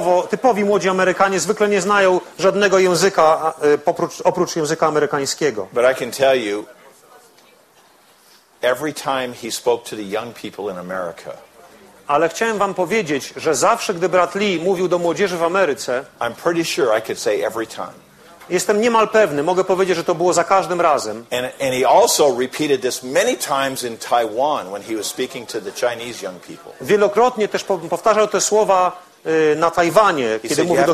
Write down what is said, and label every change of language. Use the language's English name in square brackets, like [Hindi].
[Polish] Typowi młodzi Amerykanie zwykle nie znają żadnego języka oprócz języka amerykańskiego. [English] But I can tell you, every time he spoke to the young people in America. [Polish] Ale chciałem wam powiedzieć, że zawsze gdy brat Lee mówił do młodzieży w Ameryce, [English] I'm pretty sure I could say every time. [Polish] Jestem niemal pewny, mogę powiedzieć, że to było za każdym razem. [English] And he also repeated this many times in Taiwan when he was speaking to the Chinese young people. [Polish] Wielokrotnie też powtarzał te słowa na Tajwanie, kiedy mówił do